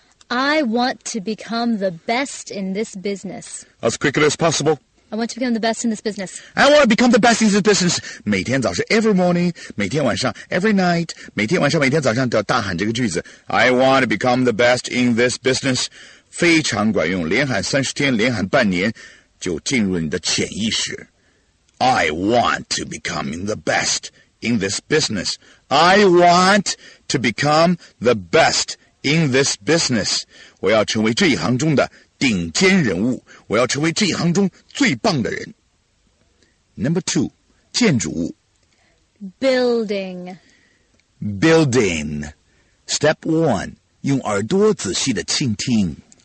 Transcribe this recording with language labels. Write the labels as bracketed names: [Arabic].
[English] I want to become the best in this business. As quickly as possible. I want to become the best in this business. I want to become the best in this business. [Chinese] 每天早上 [English] every morning, [Chinese] 每天晚上 [English] every night, [Chinese] 每天晚上每天早上都要大喊这个句子。 [English] I want to become the best in this business. [Chinese] 非常管用，连喊三十天，连喊半年，就进入你的潜意识。 [English] I want to become the best in this business. I want to become the best in this business. [Chinese] 我要成为这一行中的顶尖人物，我要成为这一行中最棒的人。 [English] Number two， [Chinese] 建筑物。 [English] Building。 Building。 Step one， [Chinese] 用耳朵仔细的倾听。